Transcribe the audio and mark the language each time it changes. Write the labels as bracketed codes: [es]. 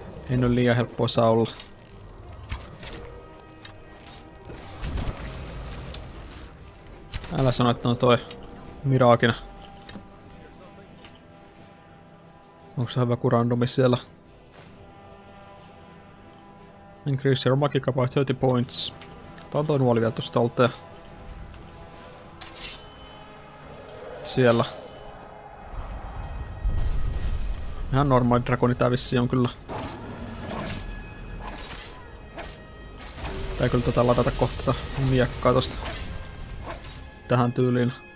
[fi] Ei nyt liian helppoa saa olla. Älä sano, että on toi Mirakin. Onko se hyvä kurandumi siellä? [en] Increase your magicka by 30 points. [fi] Tää on toi nuoli vielä tosta ulteen. Siellä. Ihan normaali dragoni tää vissi on kyllä. Tää kyllä tätä ladata kohta tätä miekkaa tosta. Tähän tyyliin.